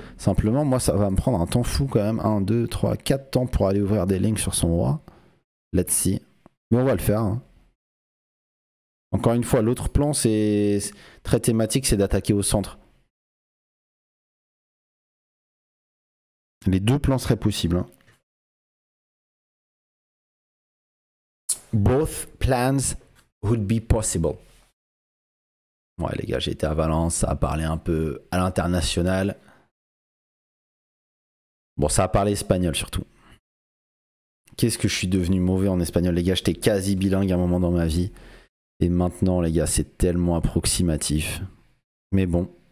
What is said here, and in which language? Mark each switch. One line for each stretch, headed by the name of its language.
French: Simplement, moi, ça va me prendre un temps fou quand même. 1, 2, 3, 4 temps pour aller ouvrir des lignes sur son roi.
English: Let's see.
French: Mais on va le faire, hein. Encore une fois, l'autre plan, c'est très thématique, c'est d'attaquer au centre. Les deux plans seraient possibles, hein.
English: Both plans would be possible.
French: Ouais, les gars, j'ai été à Valence à parler un peu à l'international. Bon, ça a parlé espagnol surtout. Qu'est-ce que je suis devenu mauvais en espagnol, les gars? J'étais quasi bilingue à un moment dans ma vie. Et maintenant, les gars, c'est tellement approximatif. Mais bon.